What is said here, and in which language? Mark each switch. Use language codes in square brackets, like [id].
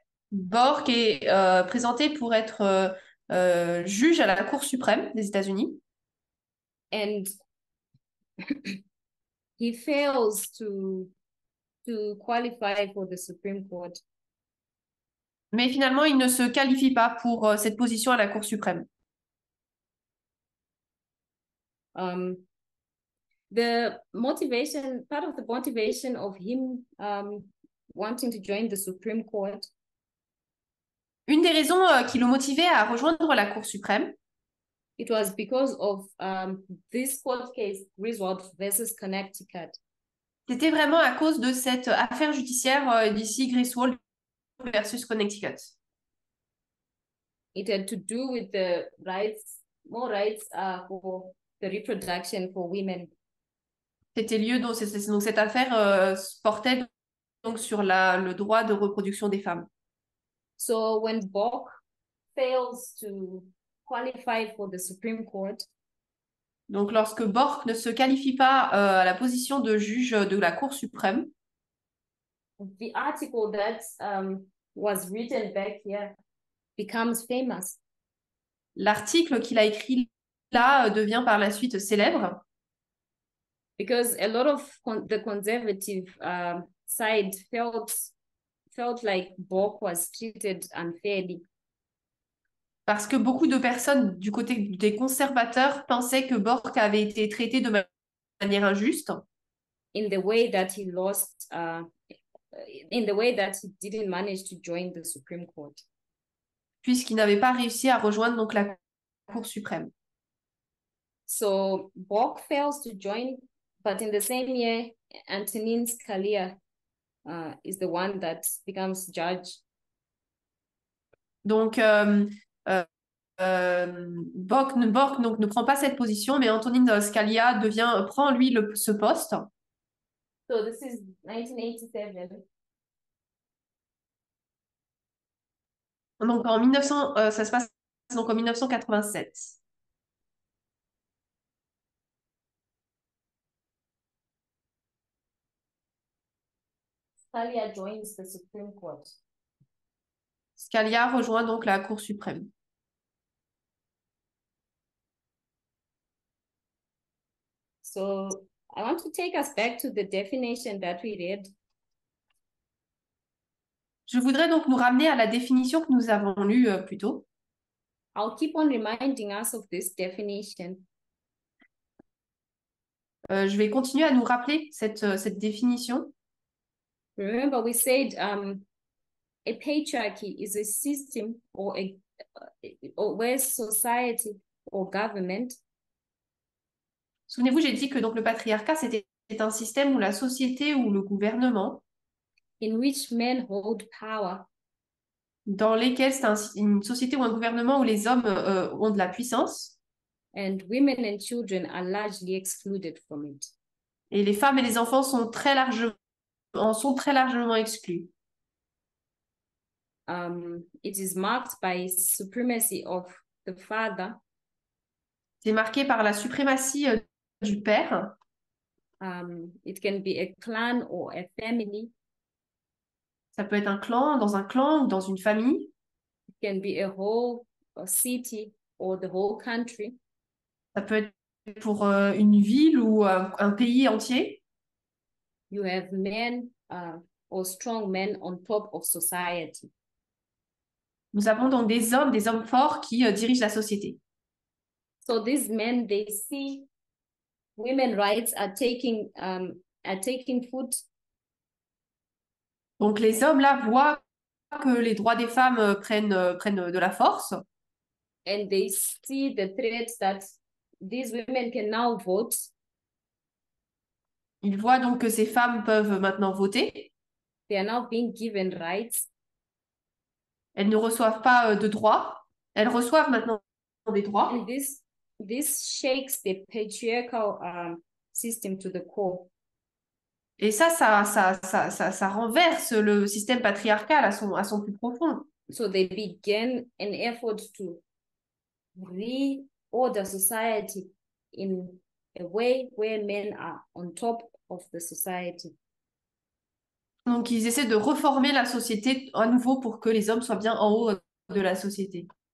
[fr] Bork est présenté pour être juge à la Cour suprême des États-Unis. [en] And he fails to qualify for the Supreme Court. [fr] Mais finalement, il ne se qualifie pas pour cette position à la Cour suprême. [en] The motivation, part of the motivation of him wanting to join the Supreme Court. [fr] Une des raisons qui le motivait à rejoindre la Cour suprême. [en] It was because of this court case, Griswold versus Connecticut. [fr] C'était vraiment à cause de cette affaire judiciaire d'ici Griswold versus Connecticut. [en] It had to do with the rights, more rights for the reproduction for women. [fr] C'était lieu dont donc cette affaire portait donc sur le droit de reproduction des femmes. [en] So when Bork fails to qualify for the Supreme Court, [fr] donc lorsque Bork ne se qualifie pas à la position de juge de la Cour suprême, [en] the article that was written back here becomes famous. [fr] L'article qu'il a écrit là devient par la suite célèbre. [en] Because a lot of the conservative side felt like Bork was treated unfairly. [fr] Parce que beaucoup de personnes du côté des conservateurs pensaient que Bork avait été traité de manière injuste. [en] In the way that he lost, in the way that he didn't manage to join the Supreme Court. [fr] puisqu'il n'avait pas réussi à rejoindre donc la Cour suprême. [en] So Bork fails to join, but in the same year, Antonin Scalia is the one that becomes judge. [fr] Donc, Bork donc, ne prend pas cette position, mais Antonin Scalia prend lui ce poste. [en] So this is 1987. [fr] Donc en 1900, ça se passe donc en 1987. [en] Scalia joins the Supreme Court. [fr] Scalia rejoint donc la Cour suprême. [en] So I want to take us back to the definition that we read. [fr] Je voudrais donc nous ramener à la définition que nous avons lue plus tôt. [en] I'll keep on reminding us of this definition. [fr] Je vais continuer à nous rappeler cette définition. [en] Remember, we said a patriarchy is a system or where society or government. [fr] Souvenez-vous, j'ai dit que donc le patriarcat, c'était un système où la société ou le gouvernement, [en] In which men hold power. [fr] dans lesquels c'est une société ou un gouvernement où les hommes ont de la puissance, [en] And women and children are largely excluded from it. [fr] et les femmes et les enfants sont très largement exclus. [en] It is marked by supremacy of the father. [fr] C'est marqué par la suprématie du père. [en] It can be a clan or a family. [fr] Ça peut être un clan, dans un clan ou dans une famille. [en] Can be a whole city or the whole country. [fr] Ça peut être pour une ville ou un pays entier. [en] You have men or strong men on top of society. [fr] Nous avons donc des hommes forts qui dirigent la société. [en] So these men, they see women rights are taking foot. [fr] Donc les hommes là voient que les droits des femmes prennent de la force. [en] And they see the threat that these women can now vote. [fr] Ils voient donc que ces femmes peuvent maintenant voter. [en] They are now being given rights. [fr] Elles ne reçoivent pas de droits. Elles reçoivent maintenant des [en] And [fr] droits. [en] this shakes the patriarchal system to the core. [fr] Et ça renverse le système patriarcal à son plus profond. [en] So they begin an effort to reorder society in a way where men are on top of the society. [fr] Donc, ils essaient de reformer la société à nouveau pour que les hommes soient bien en haut de la société.